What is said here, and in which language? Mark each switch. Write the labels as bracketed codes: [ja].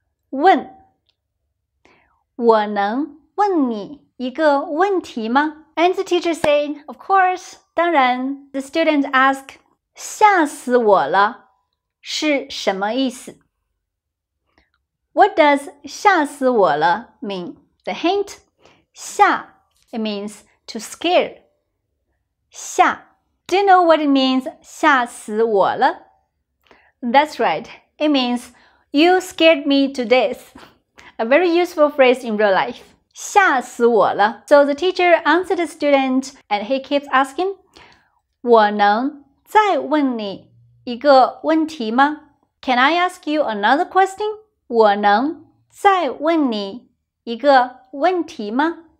[zh] 问, 我能问你一个问题吗? [en] And the teacher said, of course, [zh] 当然, [en] the student asked, [zh] 吓死我了,是什么意思? [en] What does [zh] 吓死我了 [en] mean? The hint, 吓, it means to scare. [zh] 吓, [en] do you know what it means [zh] 吓死我了? [en] That's right, it means you scared me to death. A very useful phrase in real life. [zh] 吓死我了. [en] So the teacher answered the student and he keeps asking, [zh] 我能再问你一个问题吗? [en] Can I ask you another question? [zh] 我能再问你一个问题吗?